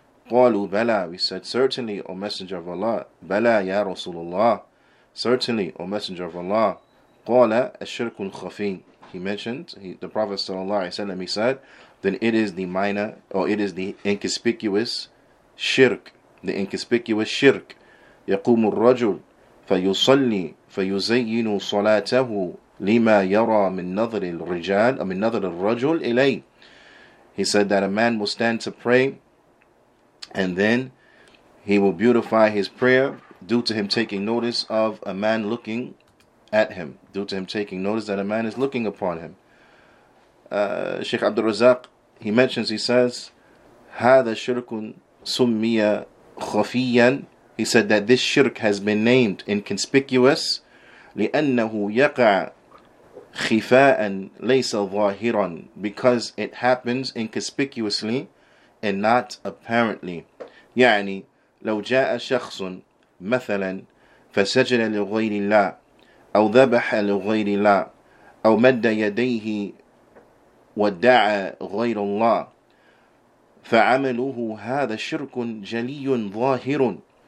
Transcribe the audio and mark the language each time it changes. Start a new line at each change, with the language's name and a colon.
Arabic: Qalu bala,
English: we said, certainly, O Messenger of Allah.
Arabic: Bala ya Rasulullah,
English: certainly, O Messenger of Allah.
Arabic: Qala ash-shirkul khafi,
English: he mentioned, the Prophet sallallahu alaihi wasallam, he said, then it is the minor, or it is the inconspicuous shirk. The inconspicuous shirk.
Arabic: يقوم الرجل فيصلي فيزين صلاته لما يرى من نظر الرجال من نظر الرجل إليه.
English: He said that a man will stand to pray, and then he will beautify his prayer due to him taking notice of a man looking at him, due to him taking notice that a man is looking upon him. Sheikh Abdul Razak, he mentions, he says,
Arabic: هذا شرك سمي خفيا.
English: He said that this shirk has been named inconspicuous,
Arabic: لِأَنَّهُ يَقَعَ خِفَاءً لَيْسَ ظَاهِرًا,
English: because it happens inconspicuously and not apparently.
Arabic: يعني لو جاء شخص مثلا فسجد لغير الله أو ذبح لغير الله أو مد يديه ودعا غير الله فعمله هذا شرك جلي ظاهر.